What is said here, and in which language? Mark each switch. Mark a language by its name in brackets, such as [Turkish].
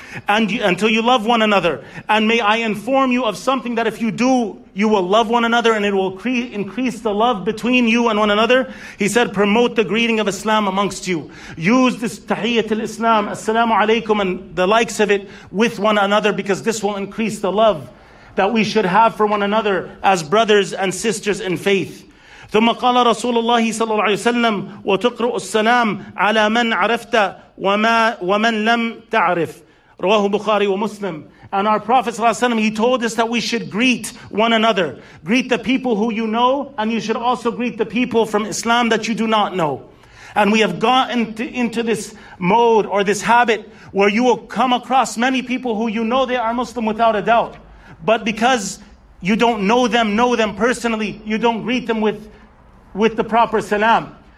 [English] And until you love one another. And may I inform you of something that if you do, you will love one another and it will increase the love between you and one another. He said, promote the greeting of Islam amongst you. Use this tahiyyat al-Islam, assalamu alaykum, and the likes of it with one another, because this will increase the love that we should have for one another as brothers and sisters in faith. [Arabic] ثم قال رسول الله صلى الله عليه وسلم وتقرأ السلام على من عرفت وما ومن لم تعرف رواه بخاري ومسلم. [English] And our Prophet [Arabic] صلى الله عليه وسلم, [English] he told us that we should greet one another, greet the people who you know, and you should also greet the people from Islam that you do not know. And we have gotten into this mode or this habit where you will come across many people who you know they are Muslim without a doubt, but because you don't know them personally, you don't greet them with the proper salam.